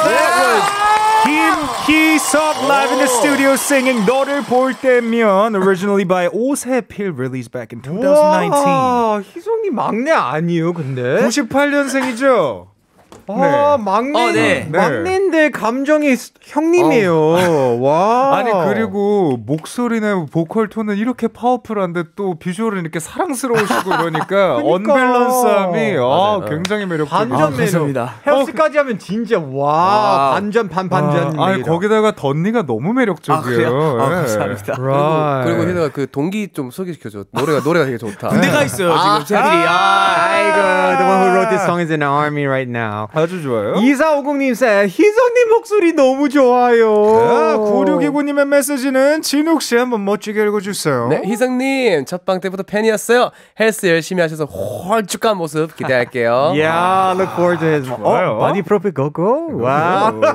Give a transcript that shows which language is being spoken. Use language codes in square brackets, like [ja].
[en] That was Kim Hee-seok live in the studio singing 너를 볼 때면 originally by Oseopil released back in 2019. [ko] 희성이 막내 아니에요, 근데? 98년생이죠? 아, 네. 막내, 네. 막내인데 감정이 형님이에요. 와. 아니, 그리고 목소리나 보컬 톤은 이렇게 파워풀한데 또 비주얼은 이렇게 사랑스러우시고 그러니까 그러니까. 언밸런스함이 아, 굉장히 매력적이에요. 반전 매력. 아, 헬스까지 하면 진짜 와. 아. 반전, 반, 반전. 아, 아니, 거기다가 덧니가 너무 매력적이에요. 아, 아, 감사합니다. 네. Right. 그리고 희도가 그 동기 좀 소개시켜줘. 노래가 되게 좋다. 군대가 있어요, 지금. 쟤들이. 아, 아이고. [en] The one who wrote this song is in the army right now. [ko] 아주 좋아요. 2450님 쌤, 희성님 목소리 너무 좋아요. 9629님의 메시지는 진욱씨 한번 멋지게 읽어주세요. 네, 희성님 첫방 때부터 팬이었어요. 헬스 열심히 하셔서 홀쭉한 모습 기대할게요. [en] Yeah, look forward to his [ko] 좋아요. 어, 바디 프로필 고고. 와.